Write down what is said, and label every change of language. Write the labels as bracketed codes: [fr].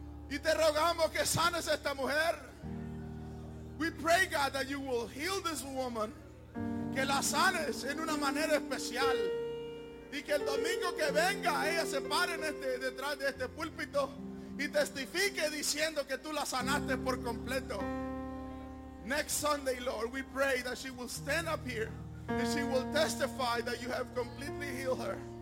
[es] Y te rogamos que sanes a esta mujer. [en] We pray, God, that you will heal this woman. [es] Que la sanes en una manera especial. Y que el domingo que venga, ella se pare detrás de este púlpito y testifique diciendo que tú la sanaste por completo. [en] Next Sunday, Lord, we pray that she will stand up here and she will testify that you have completely healed her.